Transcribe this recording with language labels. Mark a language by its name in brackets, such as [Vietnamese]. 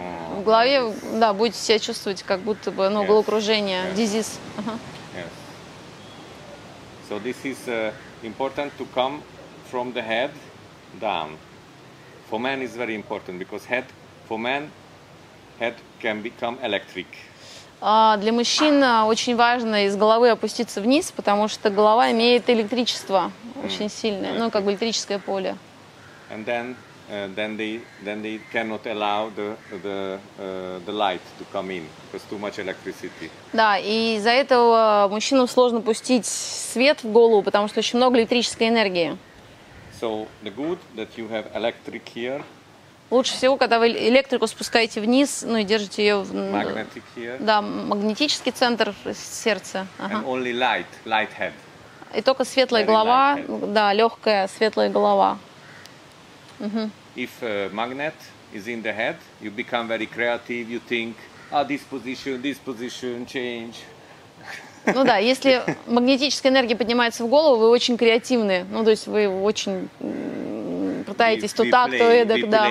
[Russian] В голове, да, будете себя чувствовать, как будто бы, ну, головокружение, дизиз. [English] So this is important to come from the head down. For men is very important, because head, for men, head can become electric. [Russian] Для мужчин очень важно из головы опуститься вниз, потому что голова имеет электричество очень сильное, ну, как бы электрическое поле. [English] And then... Then they cannot allow the light to come in because too much electricity. [Russian] Да, и из-за этого мужчинам сложно пустить свет в голову, потому что очень много электрической энергии. [English] So the good that you have electric here. [Russian] Лучше всего, когда вы электрику спускаете вниз, ну и держите ее в [English] magnetic here. [Russian] Да, магнетический центр сердца. [English] And only light head. [Russian] И только светлая голова, да, легкая светлая голова. [English] If a magnet is in the head, you become very creative, you think, this position, change. [Russian] Ну да, если магнетическая энергия поднимается в голову, вы очень креативны. Ну, то есть вы очень пытаетесь то так, то эдак, да.